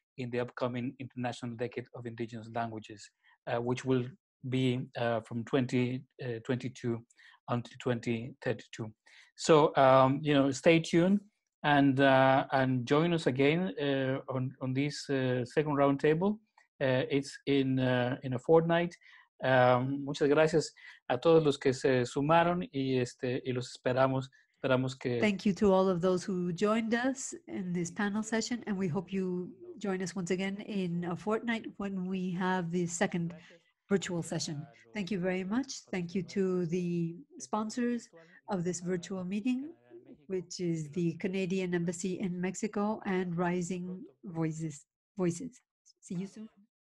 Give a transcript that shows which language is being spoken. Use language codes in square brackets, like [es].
[en] in the upcoming International Decade of Indigenous Languages, which will be from 2022 until 2032. So, you know, stay tuned and join us again on this second roundtable. It's in a fortnight. [es] Muchas gracias a todos los que se sumaron y los esperamos. [en] Thank you to all of those who joined us in this panel session, and we hope you join us once again in a fortnight when we have the second virtual session. Thank you very much. Thank you to the sponsors of this virtual meeting, which is the Canadian Embassy in Mexico and Rising Voices. See you soon.